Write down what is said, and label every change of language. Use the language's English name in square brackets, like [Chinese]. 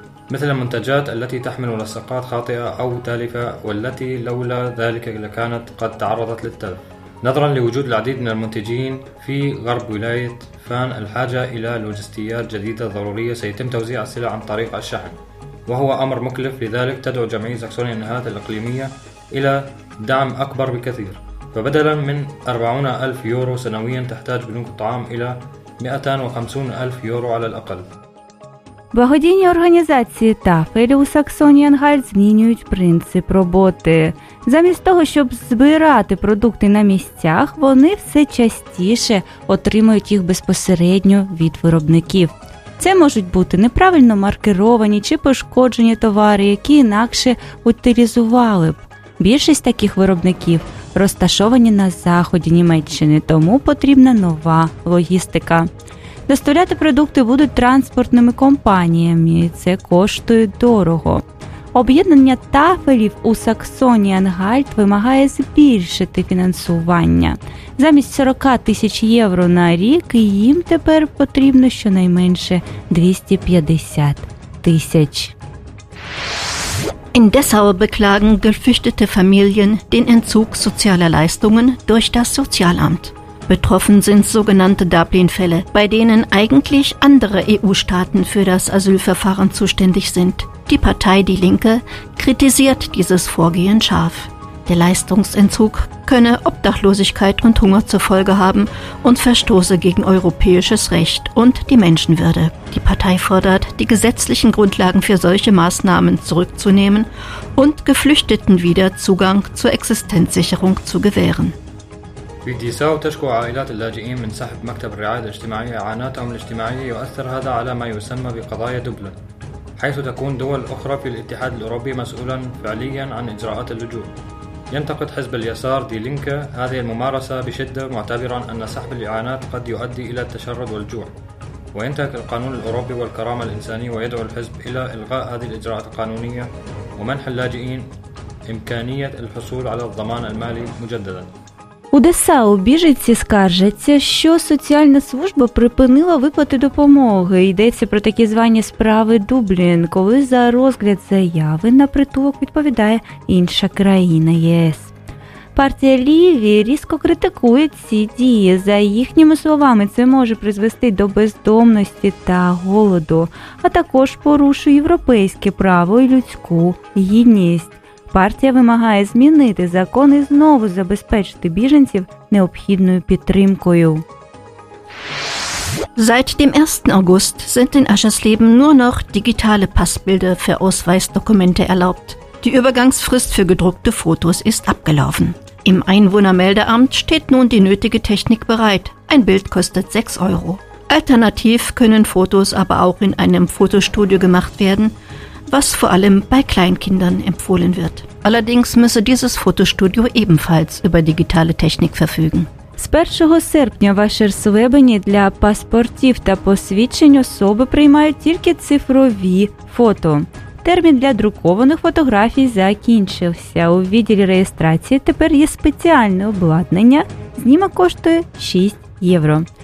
[Arabic] مثل المنتجات التي تحمل ملصقات خاطئة أو تالفة والتي لولا ذلك لكانت قد تعرضت للتلف نظرا لوجود العديد من المنتجين في غرب ولاية فان الحاجة إلى لوجستيات جديدة ضرورية سيتم توزيع السلع عن طريق الشحن وهو أمر مكلف لذلك تدعو جمعية ساكسون-أنهالت الإقليمية إلى دعم أكبر بكثير فبدلا من 40,000 يورو سنويا تحتاج بنوك الطعام إلى 250,000 يورو على الأقل [Ukrainian] Благодійні організації Тафель у Саксонії-Анхальт змінюють принцип роботи. Замість того, щоб збирати продукти на місцях, вони все частіше отримують їх безпосередньо від виробників. Це можуть бути неправильно маркировані чи пошкоджені товари, які інакше утилізували б. Більшість таких виробників розташовані на заході Німеччини, тому потрібна нова логістика. Доставляти продукти будуть транспортними компаніями, і це коштує дорого. Об'єднання Тафелів у Саксонії-Анхальт вимагає збільшити фінансування. Замість 40 тисяч євро на рік їм тепер потрібно щонайменше 250 тисяч. [German] In Dessau beklagen geflüchtete Familien den Entzug sozialer Leistungen durch das Sozialamt. Betroffen sind sogenannte Dublin-Fälle, bei denen eigentlich andere EU-Staaten für das Asylverfahren zuständig sind. Die Partei Die Linke kritisiert dieses Vorgehen scharf. Der Leistungsentzug könne Obdachlosigkeit und Hunger zur Folge haben und verstoße gegen europäisches Recht und die Menschenwürde. Die Partei fordert, die gesetzlichen Grundlagen für solche Maßnahmen zurückzunehmen und Geflüchteten wieder Zugang zur Existenzsicherung zu gewähren. [Arabic] في ديساو تشكو عائلات اللاجئين من سحب مكتب الرعاية الاجتماعية إعاناتهم الاجتماعية يؤثر هذا على ما يسمى بقضايا دبلن حيث تكون دول أخرى في الاتحاد الأوروبي مسؤولا فعليا عن إجراءات اللجوء ينتقد حزب اليسار دي لينكا هذه الممارسة بشدة معتبرا أن سحب الإعانات قد يؤدي إلى التشرد والجوع وينتهك القانون الأوروبي والكرامة الإنسانية ويدعو الحزب إلى إلغاء هذه الإجراءات القانونية ومنح اللاجئين إمكانية الحصول على الضمان المالي مجددا [Ukrainian] У Десау біженці скаржаться, що соціальна служба припинила виплати допомоги. Йдеться про такі звані справи Дублін, коли за розгляд заяви на притулок відповідає інша країна ЄС. Партія Ліві різко критикує ці дії. За їхніми словами, це може призвести до бездомності та голоду, а також порушує європейське право і людську гідність. Партія вимагає змінити закон і знову забезпечити біженців необхідною підтримкою. [German] Seit dem 1. August sind in Aschersleben nur noch digitale Passbilder für Ausweisdokumente erlaubt. Die Übergangsfrist für gedruckte Fotos ist abgelaufen. Im Einwohnermeldeamt steht nun die nötige Technik bereit. Ein Bild kostet 6 Euro. Alternativ können Fotos aber auch in einem Fotostudio gemacht werden, was vor allem bei Kleinkindern empfohlen wird. Allerdings müsse dieses Fotostudio ebenfalls über digitale Technik verfügen. [Ukrainian] З 1 серпня в Ашерслебені для паспортів та посвідчень особи приймають тільки цифрові фото. Термін для друкованих фотографій закінчився. У відділі реєстрації тепер є спеціальне обладнання. Знімок коштує 6 євро.